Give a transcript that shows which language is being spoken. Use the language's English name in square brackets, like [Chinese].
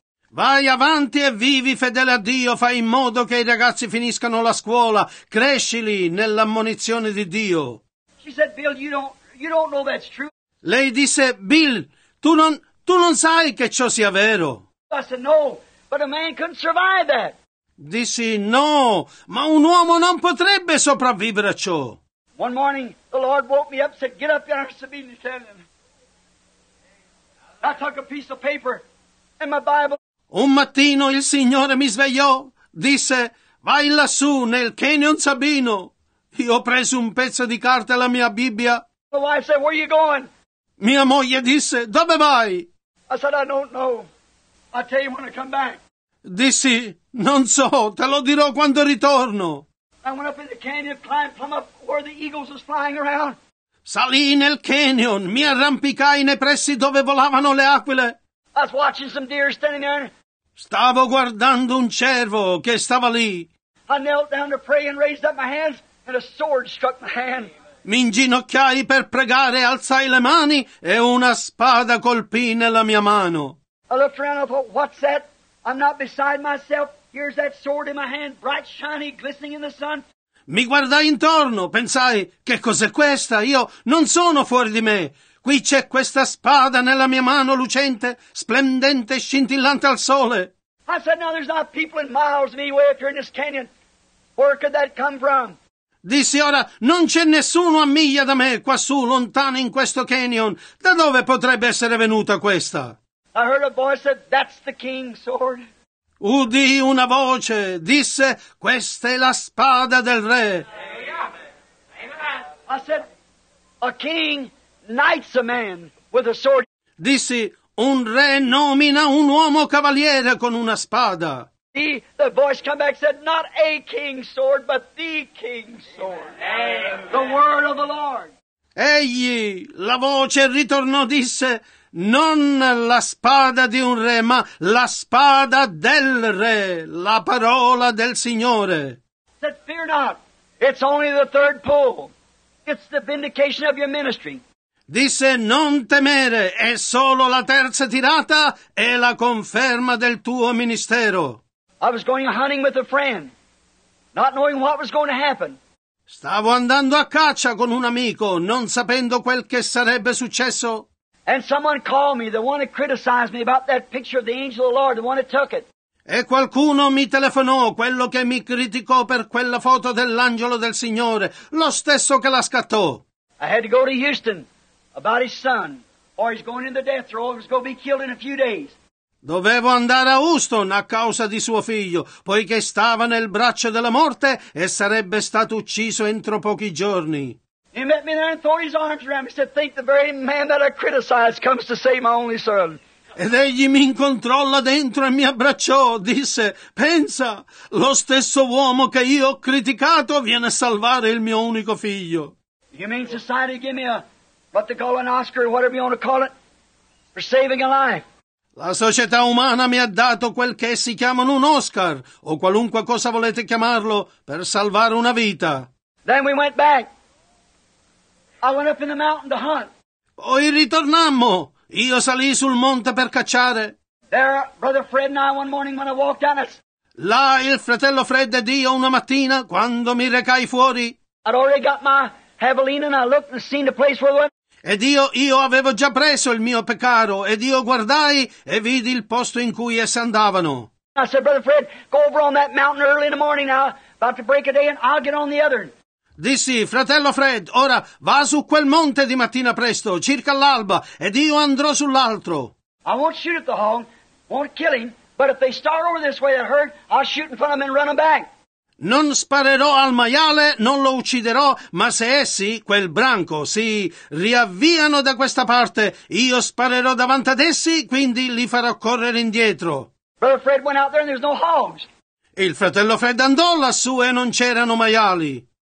[Italian] Vai avanti e vivi fedele a Dio, fai in modo che i ragazzi finiscano la scuola, crescili nell'ammonizione di Dio. [English] She said, Bill, you don't know that's true. [Italian] Lei disse, Bill, tu non sai che ciò sia vero. [English] I said, no, but a man couldn't survive that. [Italian] Dissi, no, ma un uomo non potrebbe sopravvivere a ciò. [English] One morning, the Lord woke me up and said, get up, you're a civilian. I took a piece of paper and my Bible. [Italian] Un mattino il Signore mi svegliò, disse, vai lassù nel Canyon Sabino. Io ho preso un pezzo di carta e la mia Bibbia. [English] The wife said, where are you going? [Italian] Mia moglie disse, dove vai? [English] I said, I don't know. I'll tell you when I come back. [Italian] Dissi, non so, te lo dirò quando ritorno. [English] I went up in the canyon, climbed up where the eagles was flying around. [Italian] Salì nel canyon, mi arrampicai nei pressi dove volavano le aquile. [English] I was watching some deer standing there. [Italian] Stavo guardando un cervo che stava lì. [English] I knelt down to pray and raised up my hands, and a sword struck my hand. [Italian] Mi inginocchiai per pregare, alzai le mani e una spada colpì nella mia mano. [English] I looked around, I thought, what's that? I'm not beside myself. Here's that sword in my hand, bright, shiny, glistening in the sun. [Italian] Mi guardai intorno, pensai, che cos'è questa? Io non sono fuori di me. Qui c'è questa spada nella mia mano lucente, splendente, scintillante al sole. [English] I said, no, there's not people in miles of me way up here in this canyon. Where could that come from? [Italian] Dissi, ora, non c'è nessuno a miglia da me quassù, lontano in questo canyon. Da dove potrebbe essere venuta questa? [English] I heard a voice that that's the king's sword. [Italian] Udì una voce, disse, questa è la spada del re. [English] I said, a king knights a man with a sword. [Italian] Dissi, un re nomina un uomo cavaliere con una spada. [English] The voice come back said, not a king's sword, but the king's sword. The word of the Lord. [Italian] Egli, la voce ritornò, disse, non la spada di un re, ma la spada del re, la parola del Signore. [English] Said, fear not, it's only the third pull. It's the vindication of your ministry. [Italian] Disse, non temere, è solo la terza tirata e la conferma del tuo ministero. [English] I was going hunting with a friend, not knowing what was going to happen. [Italian] Stavo andando a caccia con un amico, non sapendo quel che sarebbe successo. [English] And someone called me, the one that criticized me about that picture of the angel of the Lord, the one that took it. [Italian] E qualcuno mi telefonò, quello che mi criticò per quella foto dell'angelo del Signore, lo stesso che la scattò. [English] I had to go to Houston about his son, or he's going in the death row, he's going to be killed in a few days. [Italian] Dovevo andare a Houston a causa di suo figlio, poiché stava nel braccio della morte e sarebbe stato ucciso entro pochi giorni. [English] He met me there and threw his arms around me and said, think the very man that I criticized comes to save my only son. [Italian] Ed egli mi incontrò là dentro e mi abbracciò, disse, pensa, lo stesso uomo che io ho criticato viene a salvare il mio unico figlio. [English] You mean society give me a, what the golden Oscar, whatever you want to call it, for saving a life? [Italian] La società umana mi ha dato quel che essi chiamano un Oscar, o qualunque cosa volete chiamarlo, per salvare una vita. [English] Then we went back. I went up in the mountain to hunt. [Italian] Poi ritornammo. Io salii sul monte per cacciare. [English] There, brother Fred and I one morning when I walked out. [Italian] Là, il fratello Fred ed io una mattina, quando mi recai fuori. [English] I'd already got my javelina and I looked and seen the place where we went. [Italian] Ed io avevo già preso il mio peccaro, ed io guardai e vidi il posto in cui essi andavano. [English] I said, brother Fred, go over on that mountain early in the morning now, about to break a day, and I'll get on the other. [Italian] Dissi, fratello Fred, ora va su quel monte di mattina presto, circa l'alba, ed io andrò sull'altro. [English] I won't shoot at the hog, won't kill him, but if they start over this way, that herd, I'll shoot in front of them and run them back. [Italian] Non sparerò al maiale, non lo ucciderò, ma se essi, quel branco, si riavviano da questa parte, io sparerò davanti ad essi, quindi li farò correre indietro. [English] Brother Fred went out there and there's no hogs. [Italian] Il fratello Fred andò lassù e non c'erano maiali.